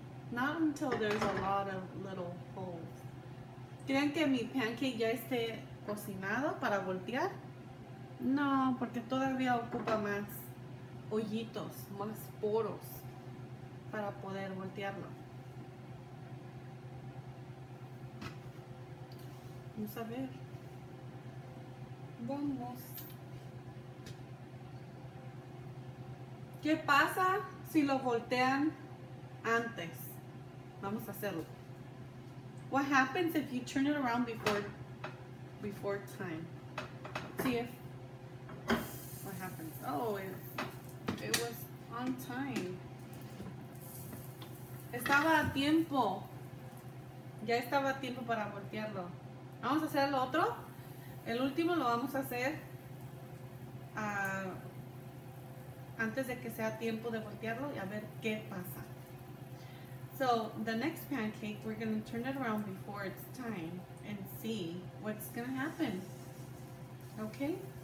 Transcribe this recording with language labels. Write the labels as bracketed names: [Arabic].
[English] Not until there's a lot of little holes. [Spanish] ¿Creen que mi pancake ya esté cocinado para voltear? No, porque todavía ocupa más hoyitos, más poros para poder voltearlo. Vamos a ver. Vamos. ¿Qué pasa si lo voltean antes? Vamos a hacerlo. [English] What happens if you turn it around before time? See if. What happens? Oh, it was on time. [Spanish] Estaba a tiempo. Ya estaba a tiempo para voltearlo. Vamos a hacer el otro. El último lo vamos a hacer antes de que sea tiempo de voltearlo y a ver qué pasa. [English] So, the next pancake, we're going to turn it around before it's time and see what's going to happen. Okay?